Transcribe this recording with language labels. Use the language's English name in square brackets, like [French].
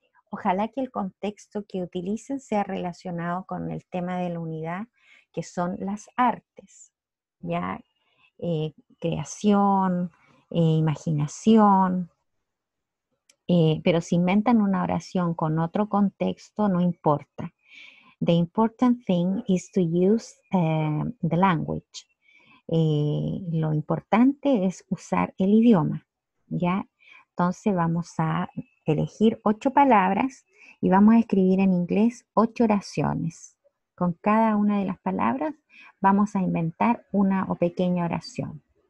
[Spanish] Ojalá que el contexto que utilicen sea relacionado con el tema de la unidad, que son las artes, ¿ya? Creación, imaginación. Pero si inventan una oración con otro contexto, no importa. [English] The important thing is to use the language. [Spanish] Lo importante es usar el idioma, ¿ya? Entonces vamos a elegir 8 palabras y vamos a escribir en inglés 8 oraciones. Con cada una de las palabras vamos a inventar una o pequeña oración.